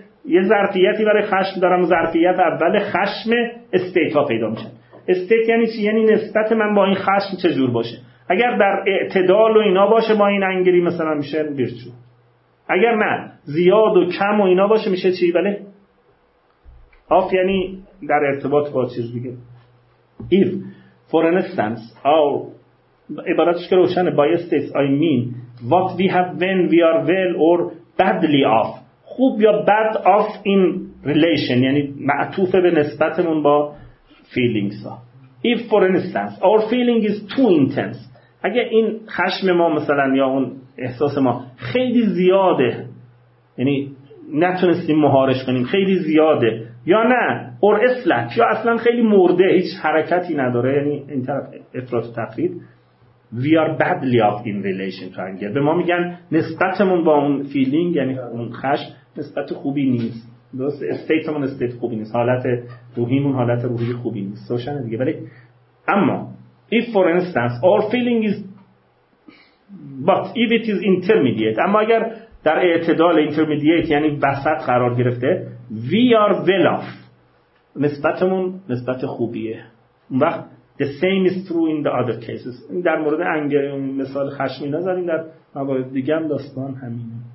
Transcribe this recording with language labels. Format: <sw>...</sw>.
<fa>یه ظرفیتی برای خشم دارم، ظرفیت اول خشم استیت ها پیدا میشن، استیت یعنی چی؟ یعنی نسبت من با این خشم چه جور باشه، اگر در اعتدال و اینا باشه با این انگری مثلا میشه ویرچو، اگر نه زیاد و کم و اینا باشه میشه چی؟ بله آف یعنی در ارتباط با چیز دیگه.</fa> <en>If for instance our</en> <fa>عبارتش که روشنه</fa> <en>by states I mean what we have when we are well or badly off،</en> <fa>خوب یا</fa> <en>bad off in relation</en> <fa>یعنی معطوف به نسبتمون با</fa> <en>feelings ها. If for instance our feeling is too intense،</en> <fa>اگه این خشم ما مثلا یا اون احساس ما خیلی زیاده، یعنی نتونستیم مهارش کنیم، خیلی زیاده یا نه اور اصلت یا اصلا خیلی مرده هیچ حرکتی نداره، یعنی این طرف افراط و تفرید،</fa> <en>we are badly off in relation to anger،</en> <fa>به ما میگن نسبتمون با اون فیلینگ یعنی اون خشم نسبت خوبی نیست، درست استیتمون استیت خوبی نیست، حالت روحیمون حالت روحی خوبی نیست، روشنه دیگه. ولی اما</fa> <en>if for instance our feeling is but if it is intermediate،</en> <fa>اما اگر در اعتدال</fa> <en>intermediate</en> <fa>یعنی وسط قرار گرفته،</fa> <en>we are well off،</en> <fa>نسبتمون نسبت خوبیه، اون وقت</fa> <en>The same is true in the other cases.</en> <fa>این در مورد انگر مثال خشم اینا زدیم، در موارد دیگه هم داستان همینه.</fa>